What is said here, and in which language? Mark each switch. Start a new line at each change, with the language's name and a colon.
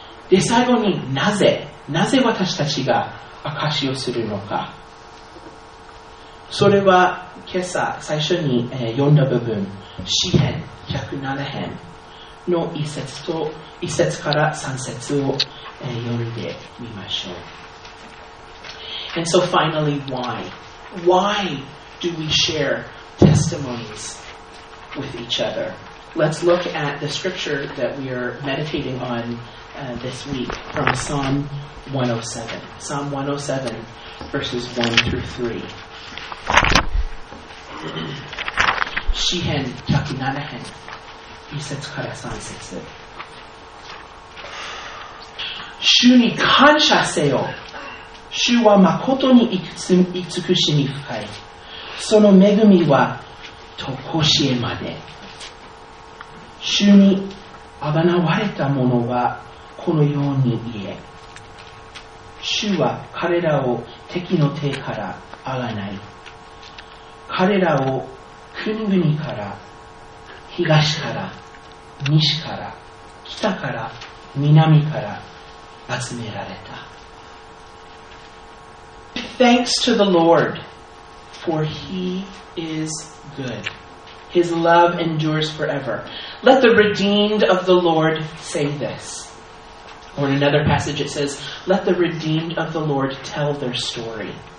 Japanese: で、最後に、なぜ私たちが証しをするのか。それは今朝最初に読んだ部分、詩編107編の1節から3節を読んでみましょう。
English: And so finally, why? Why do we share testimonies with each other? Let's look at the scripture that we are meditating onthis week from Psalm 107 verses 1 through 3.
Japanese: 詩編107編一節から三節。主に感謝せよ。主は誠に慈しみ深い。その恵みは常しえまで。主にあがなわれた者はこのように言え。主は彼らを敵の手からあがない。彼らを国々から、東から西から、北から南から集められた。
English: Thanks to the Lord, for he is good. His love endures forever. Let the redeemed of the Lord say this. Or in another passage it says, let the redeemed of the Lord tell their story.